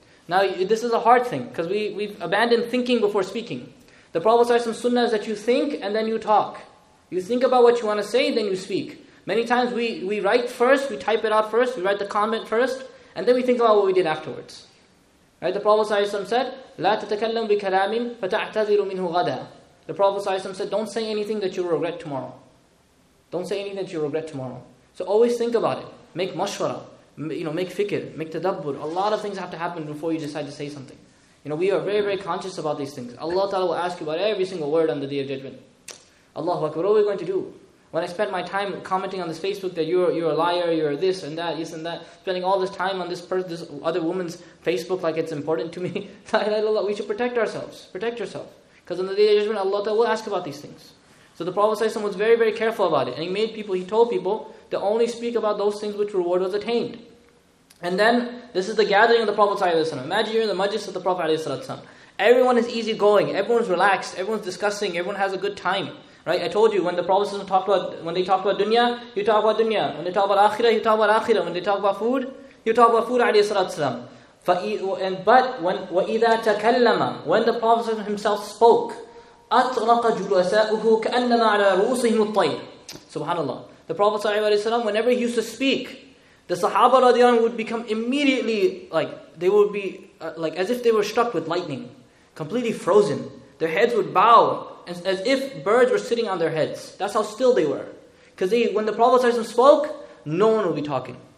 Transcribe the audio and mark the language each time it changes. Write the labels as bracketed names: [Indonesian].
[English] Now, this is a hard thing because we've abandoned thinking before speaking. The Prophet ﷺ's sunnah is that you think and then you talk. You think about what you want to say, then you speak. Many times we write first, we type it out first, we write the comment first, and then we think about what we did afterwards. Right? The Prophet ﷺ said, [Arabic] لَا تَتَكَلَّمْ بِكَلَامٍ فَتَعْتَذِرُ مِنْهُ غَدًا. [English] The Prophet ﷺ said, don't say anything that you regret tomorrow. Don't say anything that you regret tomorrow. So always think about it. Make mashwara. You know, make fikr. Make tadabbur. A lot of things have to happen before you decide to say something. You know, we are very, very conscious about these things. Allah Ta'ala will ask you about every single word on the Day of Judgment. Allahu Akbar, what are we going to do? When I spent my time commenting on this Facebook that you're a liar, you're this and that, this and that, spending all this time on this other woman's Facebook like it's important to me. We should protect ourselves. Protect yourself. Because on the Day of Judgment, Allah Ta'ala will ask about these things. So the Prophet ﷺ was very, very careful about it. And he told people to only speak about those things which reward was attained. And then, this is the gathering of the Prophet ﷺ. Imagine you're in the majlis of the Prophet ﷺ. Everyone is easygoing, everyone's relaxed, everyone's discussing, everyone has a good time. Right? I told you, when the Prophet ﷺ talked about dunya, you talk about dunya. When they talk about akhirah, you talk about akhirah. When they talk about food, you talk about food ﷺ. But when [Arabic] وَإِذَا تَكَلَّمَ, [English] when the Prophet ﷺ himself spoke, [Arabic] أطرق جلساؤه كأنما على رؤوسهم الطير. [English] Subhanallah. The Prophet ﷺ, whenever he used to speak, the Sahaba radiallahu anhu would become immediately like they would be like as if they were struck with lightning, completely frozen. Their heads would bow as if birds were sitting on their heads. That's how still they were, because when the Prophet ﷺ spoke, no one would be talking.